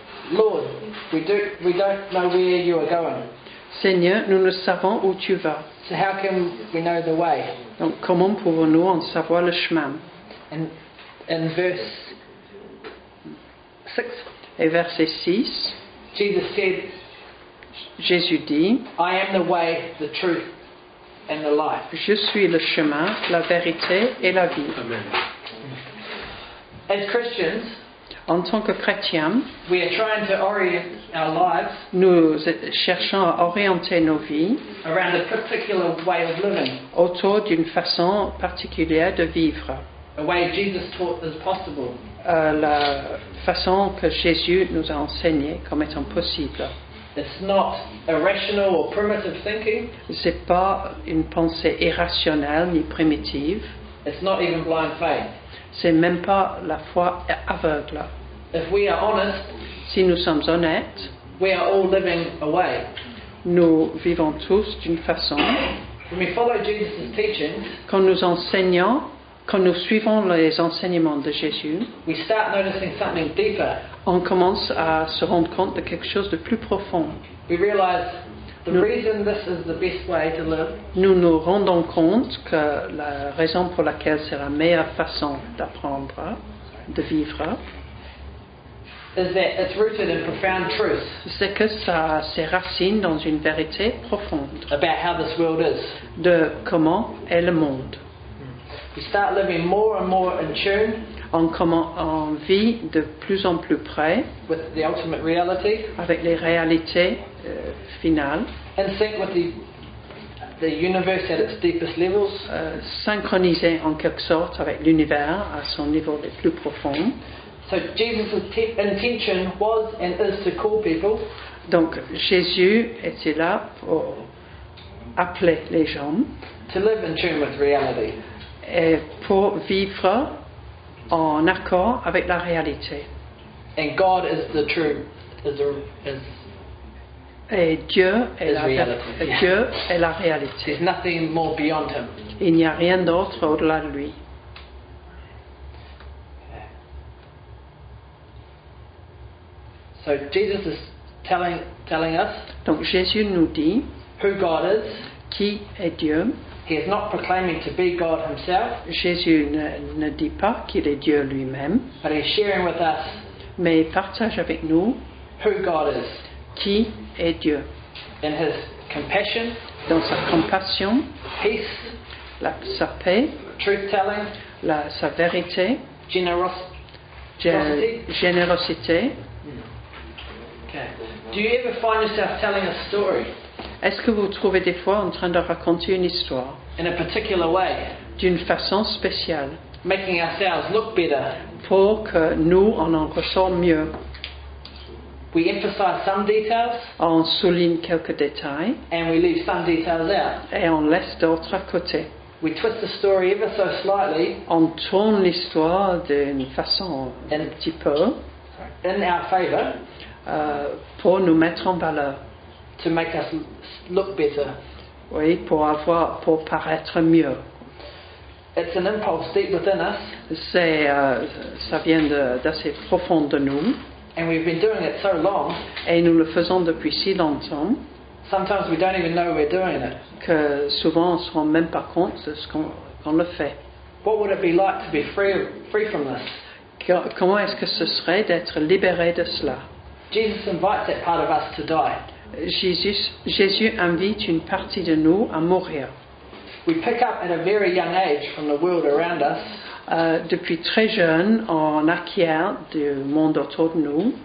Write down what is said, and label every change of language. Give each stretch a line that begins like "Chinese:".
English: Lord, we don't know where you are going.
French: Seigneur, nous ne savons où tu vas.
English: So how can we know the way?
French: Donc comment pouvons-nous en savoir le chemin?
English: And verse 6.
French: Et verset 6.
English: Jesus said,
French: Jésus dit,
English: I am the way, the truth and the life.
French: Je suis le chemin, la vérité et la vie.
English: Amen. As Christians,
French: en tant que chrétiens,
English: we are trying to orient our lives,
French: nous cherchons à orienter nos vies
English: around a particular way of living,
French: autour d'une façon particulière de vivre.
English: A way Jesus taught is possible.
French: La façon que Jésus nous a enseigné comme étant possible.
English: It's not irrational or primitive thinking.
French: C'est pas une pensée irrationnelle ni primitive.
English: It's not even blind faith.
French: C'est même pas la foi aveugle.
English: If we are honest,
French: si nous sommes honnêtes,
English: we are all living away.
French: Nous vivons tous d'une façon.
English: When we follow Jesus' teachings,
French: quand nous suivons les enseignements de Jésus,
English: we start noticing something deeper.
French: On commence à se rendre compte de quelque chose de plus profond.
English: We realize the reason this is the best way to live.
French: Nous nous rendons compte que la raison pour laquelle c'est la meilleure façon d'apprendre, de vivre,
English: is that it's rooted in profound truth.
French: C'est que ça a ses racines dans une vérité profonde.
English: About how this world is.
French: De comment est le monde.
English: We start living more and more in tune.
French: On vit de plus en plus près
English: with the ultimate reality,
French: avec les réalités finales,
English: and sync with the universe at its deepest levels,
French: synchronisé en quelque sorte avec l'univers à son niveau le plus profond.
English: So Jesus' intention was and is to call people.
French: Donc Jésus était là pour appeler les gens
English: to live in tune with reality,
French: et pour vivre en accord avec la réalité.
English: And God is the truth, is
French: et Dieu est la
English: reality.
French: Dieu est la réalité.
English: There's nothing more beyond him.
French: Il n'y a rien d'autre au-delà de lui.
English: So Jesus is telling us.
French: Donc Jésus nous dit
English: who God is.
French: Qui est Dieu?
English: He is not proclaiming to be God himself.
French: Jésus ne dit pas qu'il est Dieu lui-même.
English: But he is sharing with us.
French: Mais il partage avec nous.
English: Who God is.
French: Qui est Dieu.
English: In his compassion.
French: Dans sa compassion.
English: Peace.
French: Sa paix.
English: Truth telling.
French: Sa vérité. Générosité. Générosité.
English: Okay. Do you ever find yourself telling a story?
French: Est-ce que vous vous trouvez des fois en train de raconter une histoire?
English: In a particular way.
French: D'une façon spéciale.
English: Making ourselves look better.
French: Pour que nous on en ressort mieux.
English: We emphasize some details.
French: On souligne quelques détails.
English: And we leave some details out.
French: Et on laisse d'autres à côté.
English: We twist the story ever so slightly.
French: On tourne l'histoire d'une façon un petit peu.
English: In our favor.
French: Pour nous mettre en valeur.
English: To make us look better.
French: Oui, pour paraître mieux.
English: It's an impulse deep within us.
French: C'est ça vient d'assez profond de nous.
English: And we've been doing it so long.
French: Et nous le faisons depuis si longtemps.
English: Sometimes we don't even know we're doing it.
French: Que souvent on se rend même pas compte de ce qu'on le fait.
English: What would it be like to be free from this?
French: Comment est-ce que ce serait d'être libéré de cela?
English: Jesus invites that part of us to die.
French: Jésus invite une partie de nous à mourir.
English: We pick up at a very young age from the world around us.
French: Depuis très jeune, on acquiert du monde autour de nous.